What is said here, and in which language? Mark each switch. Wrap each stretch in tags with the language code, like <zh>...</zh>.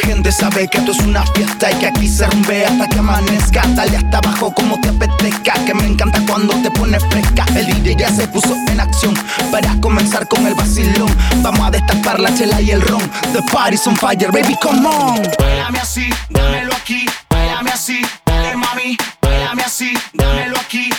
<es>Sabe que esto es una fiesta y que aquí se rompe hasta que amanezca. Dale hasta abajo como te apetezca, que me encanta cuando te pones fresca. El DJ ya se puso en acción para comenzar con el vacilón. Vamos a destapar la chela y el ron.</es> <en>The party's on fire, baby, come on.</en> <es>Bailame así, dámelo aquí. Bailame así, dale mami. Bailame así, dámelo aquí.</es>